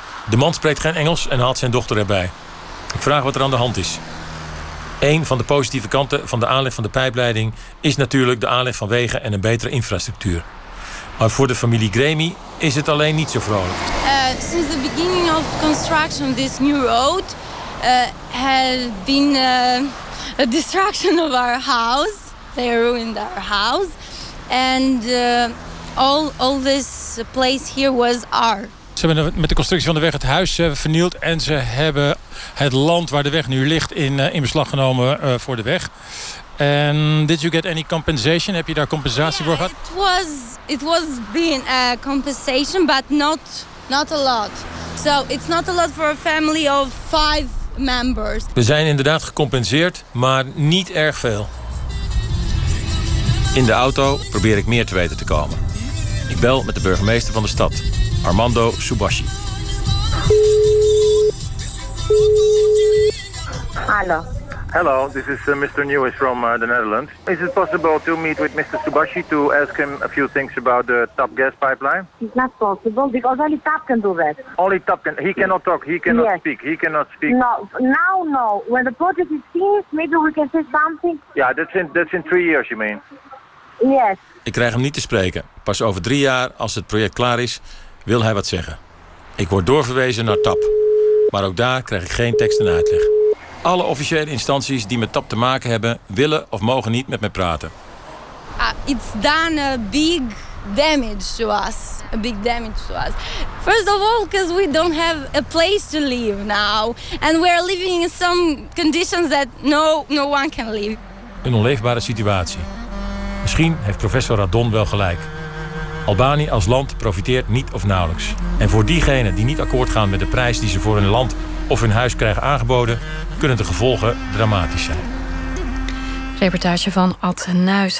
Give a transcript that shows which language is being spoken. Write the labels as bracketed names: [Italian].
[Dutch] De man spreekt geen Engels en haalt zijn dochter erbij. Ik vraag wat er aan de hand is. Een van de positieve kanten van de aanleg van de pijpleiding is natuurlijk de aanleg van wegen en een betere infrastructuur. Maar voor de familie Gremi is het alleen niet zo vrolijk. [English] Since the beginning of construction, this new road has been a destruction of our house. They ruined our house. And all this place here was our. [Dutch] Ze hebben met de constructie van de weg het huis vernield en ze hebben het land waar de weg nu ligt in beslag genomen voor de weg. [English] And did you get any compensation? [Dutch] Heb je daar compensatie voor gehad? [English] It was being a compensation, but not a lot. So it's not a lot for a family of 5 members. [Dutch] We zijn inderdaad gecompenseerd, maar niet erg veel. In de auto probeer ik meer te weten te komen. Ik bel met de burgemeester van de stad, Armando Subashi. Hallo. [English] Hello, this is Mr. Nieuws from the Netherlands. Is it possible to meet with Mr. Subashi to ask him a few things about the TAP gas pipeline? It's not possible because only TAP can do that. Only TAP can. He cannot talk. He cannot speak. He cannot speak. No, now no. When the project is finished, maybe we can say something. Yeah, that's in 3 years, you mean? Yes. [Dutch] Ik krijg hem niet te spreken. Pas over 3 jaar, als het project klaar is, wil hij wat zeggen. Ik word doorverwezen naar TAP. Maar ook daar krijg ik geen tekst en uitleg. Alle officiële instanties die met TAP te maken hebben, willen of mogen niet met mij praten. [English] It's done a big damage to us. A big damage to us. First of all, because we don't have a place to live now. And we're living in some conditions that no one can live. [Dutch] Een onleefbare situatie. Misschien heeft professor Radon wel gelijk. Albanië als land profiteert niet of nauwelijks. En voor diegenen die niet akkoord gaan met de prijs die ze voor hun land of hun huis krijgen aangeboden, kunnen de gevolgen dramatisch zijn. Reportage van Ad Nuis.